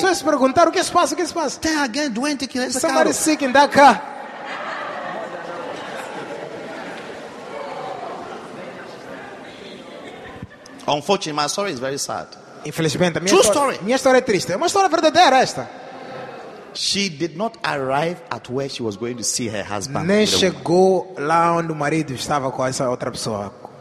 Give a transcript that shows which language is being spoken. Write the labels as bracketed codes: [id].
[pt] Vocês perguntaram, o que se passa, o que se passa? Tem alguém doente aqui nesse [en] carro? Somebody sick in that car. Unfortunately, my story is very sad. [pt] Infelizmente, a minha, [en] true story. [pt] Minha história é triste. É uma história verdadeira esta. [en] She did not arrive at where she was going to see her husband. [pt] Nem chegou lá onde o marido estava com essa outra pessoa.